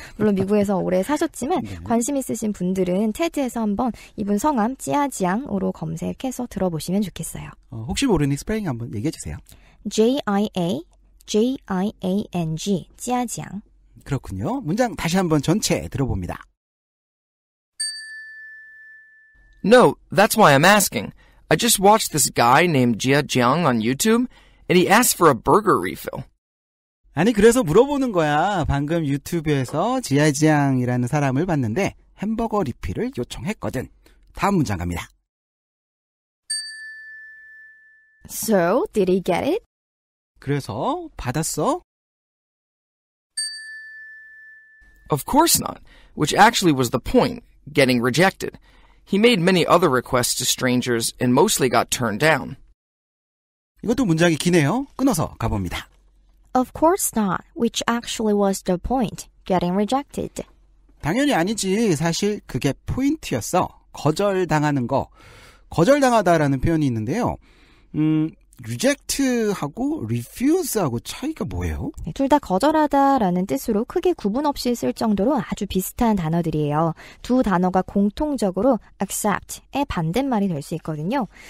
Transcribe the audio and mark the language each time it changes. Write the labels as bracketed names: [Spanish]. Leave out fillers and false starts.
[Korean] 물론 미국에서 오래 사셨지만 관심 있으신 분들은 TED에서 한번 이분 성함 지아지앙으로 검색해서 들어보시면 좋겠어요. 혹시 모르는 스펠링 한번 얘기해 주세요. J-I-A-J-I-A-N-G 지아지앙. 그렇군요. 문장 다시 한번 전체 들어봅니다. [English] No, that's why I'm asking. I just watched this guy named Jia Jiang on YouTube, and he asked for a burger refill. [Korean] 아니, 그래서 물어보는 거야. 방금 유튜브에서 Jia Jiang이라는 사람을 봤는데 햄버거 리필을 요청했거든. 다음 문장 갑니다. [English] So, did he get it? [Korean] 그래서 받았어? [English] Of course not, which actually was the point, getting rejected. He made many other requests to strangers and mostly got turned down. [Korean] 이것도 문장이 기네요. 끊어서 가봅니다. [English] Of course not, which actually was the point, getting rejected. [Korean] 당연히 아니지. 사실 그게 포인트였어. 거절당하는 거. 거절당하다라는 표현이 있는데요. reject하고 refuse하고 차이가 뭐예요? 네, 둘 다 거절하다라는 뜻으로 크게 구분 없이 쓸 정도로 아주 비슷한 단어들이에요. 두 단어가 공통적으로 accept의 반대말이 될 수 있거든요.